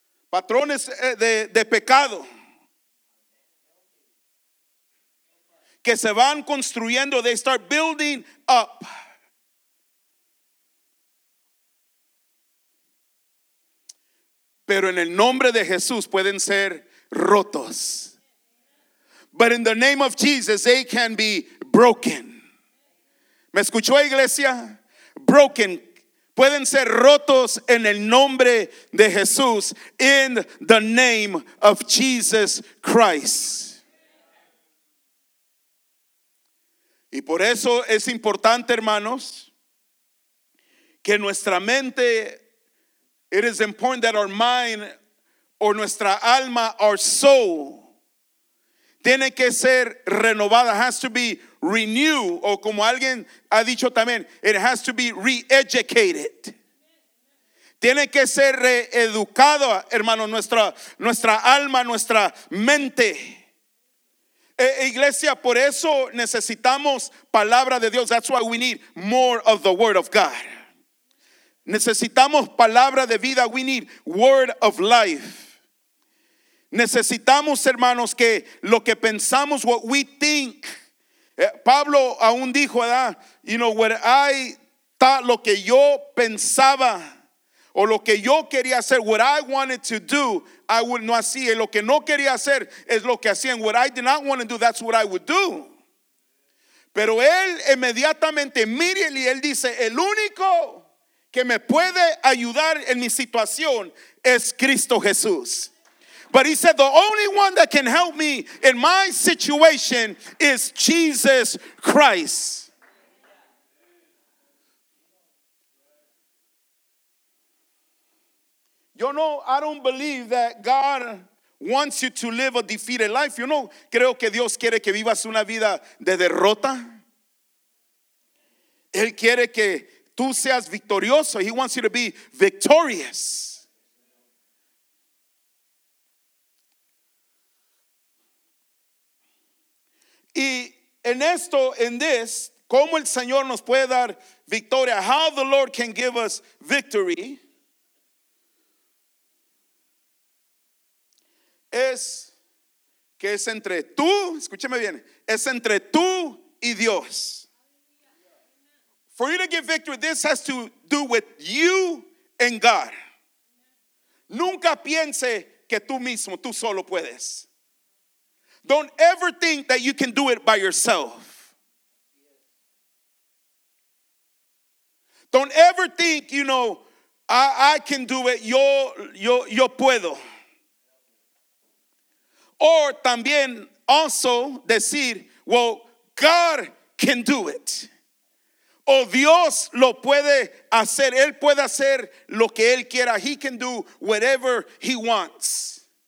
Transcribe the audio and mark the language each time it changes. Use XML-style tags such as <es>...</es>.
<es>Patrones de pecado que se van construyendo,</es> <en>they start building up.</en> <es>Pero en el nombre de Jesús pueden ser rotos.</es> <en>But in the name of Jesus, they can be broken.</en> <es>¿Me escuchó, iglesia? Broken. Pueden ser rotos en el nombre de Jesús,</es> <en>in the name of Jesus Christ.</en> <es>Y por eso es importante, hermanos, que nuestra mente,</es> <en>it is important that our mind, or</en> <es>nuestra alma,</es> <en>our soul,</en> <es>tiene que ser renovada,</es> <en>has to be renew,</en> <es>o como alguien ha dicho también,</es> <en>it has to be re-educated.</en> <es>Tiene que ser reeducado, hermano, nuestra alma, nuestra mente. Iglesia, por eso necesitamos palabra de Dios.</es> <en>That's why we need more of the word of God.</en> <es>Necesitamos palabra de vida.</es> <en>We need word of life.</en> <es>Necesitamos, hermanos, que lo que pensamos,</es> <en>what we think.</en> <es>Pablo aún dijo, ¿verdad?</es> <en>You know, where I thought,</en> <es>lo que yo pensaba o lo que yo quería hacer,</es> <en>what I wanted to do, I would not see.</en> <es>Lo que no quería hacer es lo que hacía.</es> <en>And what I did not want to do, that's what I would do.</en> <es>Pero él inmediatamente,</es> <en>immediately,</en> <es>él dice, el único que me puede ayudar en mi situación es Cristo Jesús.</es> <en>But he said, the only one that can help me in my situation is Jesus Christ. Yeah. I don't believe that God wants you to live a defeated life.</en> <es>Creo que Dios quiere que vivas una vida de derrota. Él quiere que tú seas victorioso.</es> <en>He wants you to be victorious.</en> <es>Y en esto, en this, ¿cómo el Señor nos puede dar victoria?</es> <en>How the Lord can give us victory.</en> <es>Es que es entre tú, escúcheme bien, es entre tú y Dios.</es> <en>For you to get victory, this has to do with you and God.</en> <es>Nunca piense que tú mismo, tú solo puedes.</es> <en>Don't ever think that you can do it by yourself. Don't ever think, I can do it,</en> <es>yo puedo.</es> <en>Or</en> <es>también</es> <en>also decir, well, God can do it.</en> <es>O Dios lo puede hacer. Él puede hacer lo que Él quiera.</es> <en>He can do whatever He wants.</en>